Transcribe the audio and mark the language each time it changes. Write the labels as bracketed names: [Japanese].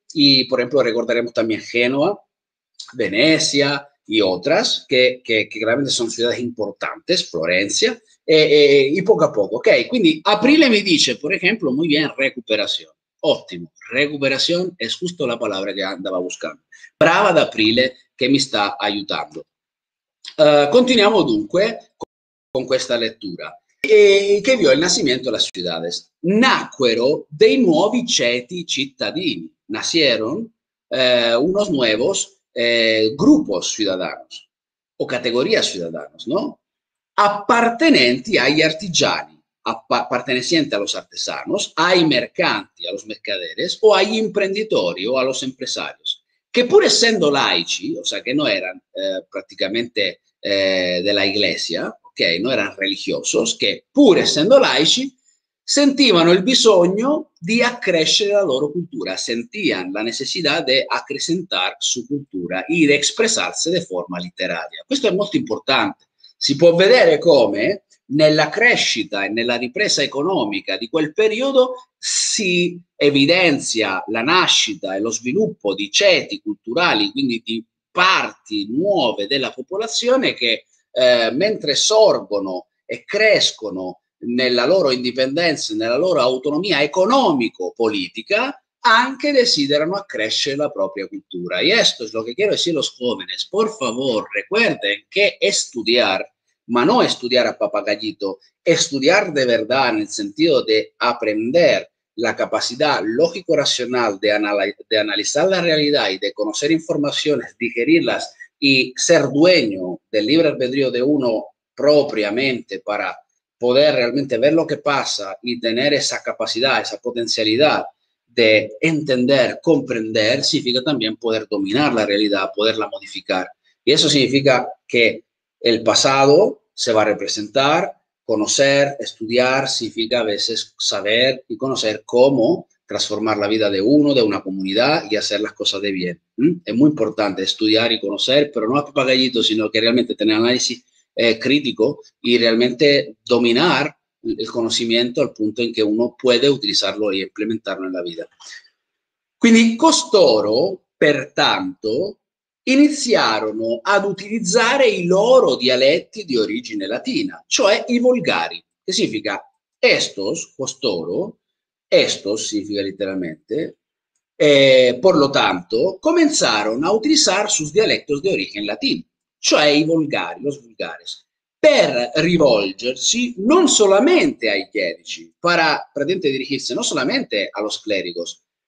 [Spanish] Y, por ejemplo, recordaremos también Génova, Venecia y otras que realmente son ciudades importantes, Florencia, y poco a poco. Ok, [Italian] quindi [Spanish] Aprile me dice, por ejemplo, muy bien, recuperación. [Italian] Ottimo, [Spanish] recuperación es justo la palabra que andaba buscando. [Italian] Brava [Spanish] d'Aprile que me está ayudando. [Italian] Continuiamo dunque con questa lettura. Che vio il nascimento delle ciudades. Nacquero dei nuovi ceti cittadini. [Spanish] Nacieron unos nuevos grupos ciudadanos o categorías ciudadanos, ¿no? [Italian] Appartenenti agli artigiani. [Spanish] Perteneciente a los artesanos, [Italian] ai mercanti, [Spanish] a los mercaderes, [Italian] o agli imprenditori, [Spanish] o a los empresarios, que [Italian] pur essendo laici, [Spanish] o sea, que no eran prácticamente de la iglesia, okay, no eran religiosos, que pur essendo laici, [Italian] sentivano il bisogno di accrescere la loro cultura, [Spanish] sentían la necesidad de acrecentar su cultura y de expresarse de forma literaria. [Italian] Questo è molto importante. Si può vedere come nella crescita e nella ripresa economica di quel periodo si evidenzia la nascita e lo sviluppo di ceti culturali, quindi di parti nuove della popolazione che mentre sorgono e crescono nella loro indipendenza, nella loro autonomia economico-politica, anche desiderano accrescere la propria cultura. E questo è [Spanish] lo che quiero decir a los jóvenes. Por favor, recuerden che estudiar, ma no estudiar a papagallito, estudiar de verdad en el sentido de aprender la capacidad lógico-racional de analizar la realidad y de conocer informaciones, digerirlas y ser dueño del libre albedrío de uno propiamente para poder realmente ver lo que pasa y tener esa capacidad, esa potencialidad de entender, comprender, significa también poder dominar la realidad, poderla modificar. Y eso significa que el pasado se va a representar, conocer, estudiar, significa a veces saber y conocer cómo transformar la vida de uno, de una comunidad y hacer las cosas de bien. Es muy importante estudiar y conocer, pero no a papagallito, sino que realmente tener análisis crítico y realmente dominar el conocimiento al punto en que uno puede utilizarlo y implementarlo en la vida. [Italian] Quindi costoro, pertanto, iniziarono ad utilizzare i loro dialetti di origine latina, cioè i volgari, [Spanish] che significa estos, costoro, estos significa letteralmente, por lo tanto, comenzaron a utilizar sus dialectos de origen latino, [Italian] cioè i volgari, [Spanish] los vulgares, [Italian] per rivolgersi non solamente ai chierici, [Spanish] para praticamente dirigirsi [Italian] non solamente [Spanish] a los clericos,